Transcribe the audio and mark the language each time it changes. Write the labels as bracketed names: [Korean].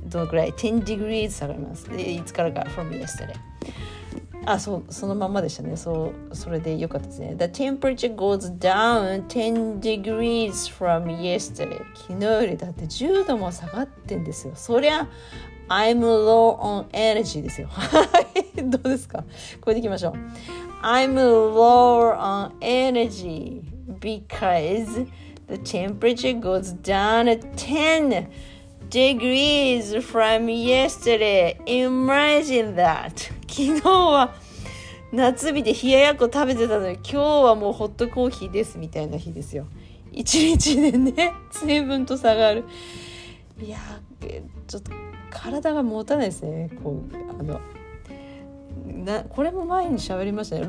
[Japanese] どのくらい、 [English] 10 degrees [Japanese] 下がります。でいつからか、 [English] from yesterday。 [Japanese] あ、そう、そのままでしたね。そう、それでよかったですね。 [English] the temperature goes down 10 degrees from yesterday。 [Japanese] 昨日よりだって10度も下がってんですよ。そりゃ [English] I'm low on energy [Japanese] ですよ。どうですか、これでいきましょう。 [English] I'm low on energy because the temperature goes down 10 degrees from yesterday. Imagine that. [Japanese] 昨日は夏日で冷ややっこ食べてたのに、今日はもうホットコーヒーですみたいな日ですよ。一日でね、水分と差がある。いや、ちょっと体が持たないですね。こう、これも前に喋りましたね。